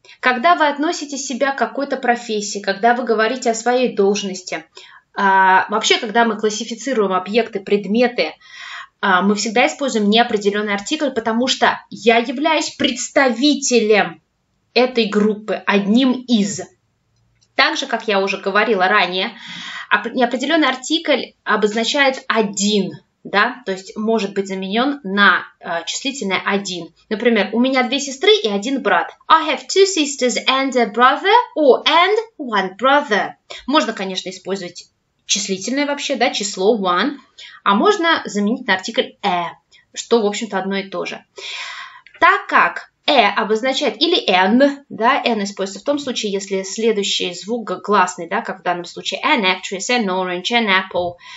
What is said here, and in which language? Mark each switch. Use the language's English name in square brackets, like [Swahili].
[Russian] Когда вы относите себя к какой-то профессии, когда вы говорите о своей должности, вообще, когда мы классифицируем объекты, предметы, мы всегда используем неопределенный артикль, потому что я являюсь представителем этой группы, одним из. Так же, как я уже говорила ранее, неопределенный артикль обозначает один, да, то есть может быть заменен на числительное один. Например, у меня две сестры и один брат. [English] I have two sisters and a brother, or and one brother. [Russian] Можно, конечно, использовать числительное вообще, да, число one, а можно заменить на артикль a, что, в общем-то, одно и то же. Так как «э» обозначает, или «н», да, «н» используется в том случае, если следующий звук гласный, да, как в данном случае «an actress», «an orange», «an apple».